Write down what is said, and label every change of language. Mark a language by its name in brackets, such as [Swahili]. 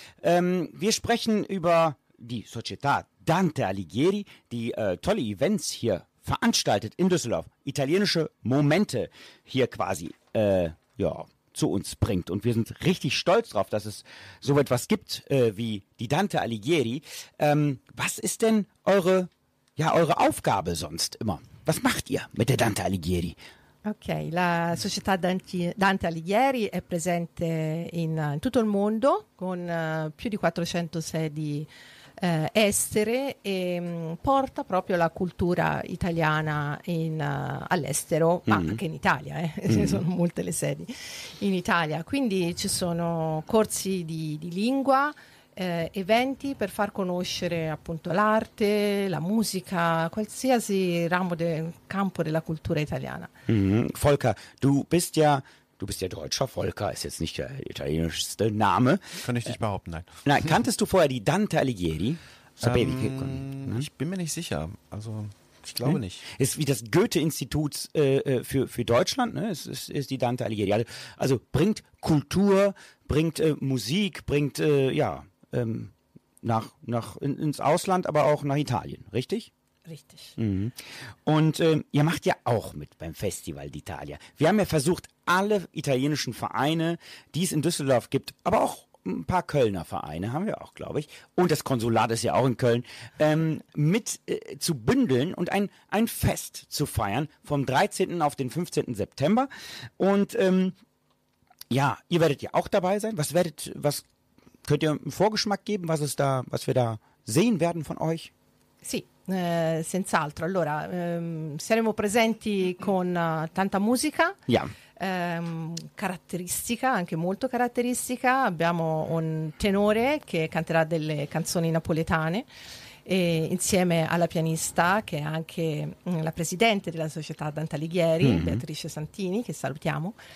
[German] Wir sprechen über die Società Dante Alighieri, die tolle Events hier veranstaltet in Düsseldorf, italienische Momente hier quasi ja, zu uns bringt. Und wir sind richtig stolz drauf, dass es so etwas gibt wie die Dante Alighieri. Was ist denn eure, ja, eure Aufgabe sonst immer? Was macht ihr mit der Dante Alighieri? [Italian] Ok, la società Dante Alighieri è presente in tutto il mondo con più di 400 sedi estere e porta proprio la cultura italiana all'estero, ma anche in Italia, ci sono molte le sedi in Italia. Quindi ci sono corsi di lingua, eventi per far conoscere appunto l'arte, la musica, qualsiasi ramo del campo della cultura italiana. Mm-hmm. [German] Volker, du bist ja deutscher. Volker ist jetzt nicht der italienischste Name. Könnte ich nicht behaupten, nein. Nein, kanntest du vorher die Dante Alighieri? Ich bin mir nicht sicher. Also ich glaube nicht. Ist wie das Goethe-Institut für Deutschland, ne? Ist die Dante Alighieri. Also bringt Kultur, bringt Musik, bringt ins Ausland, aber auch nach Italien, richtig? Richtig. Mhm. Und ihr macht ja auch mit beim Festival d'Italia. Wir haben ja versucht, alle italienischen Vereine, die es in Düsseldorf gibt, aber auch ein paar Kölner Vereine haben wir auch, glaube ich, und das Konsulat ist ja auch in Köln, mit zu bündeln und ein Fest zu feiern vom 13. auf den 15. September. Und ja, ihr werdet ja auch dabei sein. Was könnt ihr einen Vorgeschmack geben, was wir da sehen werden von euch? [Italian] Sì, senz'altro. Allora, saremo presenti con tanta musica. [German] Ja. [Italian] Caratteristica, anche molto caratteristica. Abbiamo un tenore che canterà delle canzoni napoletane e insieme alla pianista che è anche la presidente della società Dante Alighieri, Beatrice Santini, che salutiamo.